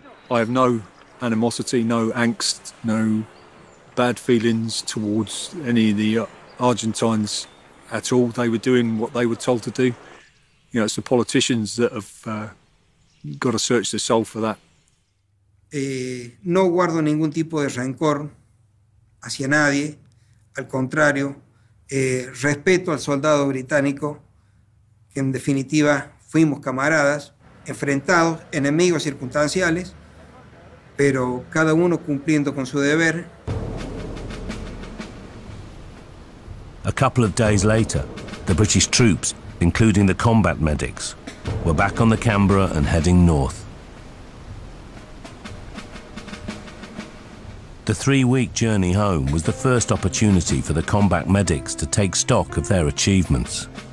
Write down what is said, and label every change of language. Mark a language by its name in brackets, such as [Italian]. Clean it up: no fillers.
[English] I have no animosity, no angst, no bad feelings towards any of the Argentines at all. They were doing what they were told to do. You know, it's the politicians that have got to search their soul for that. [Spanish] No guardo ningún tipo de rencor hacia nadie. Al contrario, respeto al soldado británico, que en definitiva fuimos camaradas, enfrentados, enemigos circunstanciales, pero cada uno cumpliendo con su deber. [English] A couple of days later, the British troops, including the combat medics, were back on the Canberra and heading north. The 3-week journey home was the first opportunity for the combat medics to take stock of their achievements.